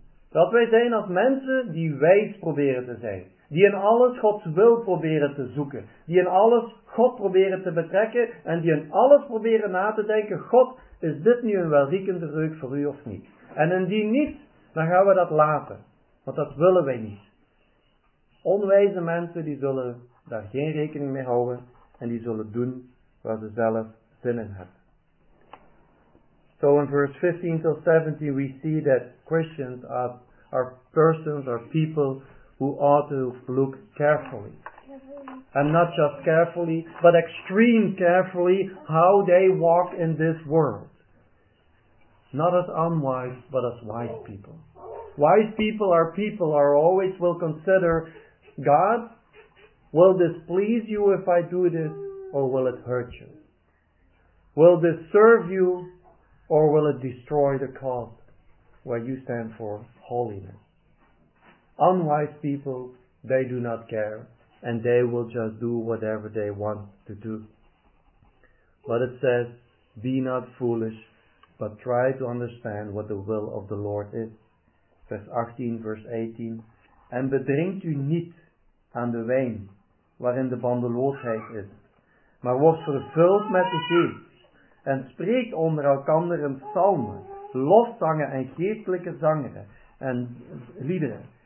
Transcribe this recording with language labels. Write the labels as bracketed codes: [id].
[nl] Dat wij zijn als mensen die wijs proberen te zijn, die in alles Gods wil proberen te zoeken, die in alles God proberen te betrekken en die in alles proberen na te denken, God, is dit nu een welriekende reuk voor u of niet? En indien niet, dan gaan we dat laten, want dat willen wij niet. Onwijze mensen die zullen daar geen rekening mee houden en die zullen doen wat ze zelf zin in hebben. [en] So in verse 15 till 17 we see that Christians are persons or people who ought to look carefully. And not just carefully, but extreme carefully how they walk in this world. Not as unwise, but as wise people. Wise people are people who are always will consider, God, will this please you if I do this, or will it hurt you? Will this serve you, or will it destroy the cause where you stand for holiness? Unwise people, they do not care, and they will just do whatever they want to do. But it says, be not foolish, but try to understand what the will of the Lord is. [nl] Vers 18, verse 18. En bedrinkt u niet aan de wijn, waarin de bandeloosheid is, maar wordt vervuld met de geest. En spreekt onder elkander in psalmen, lofzangen en geestelijke zangeren en liederen.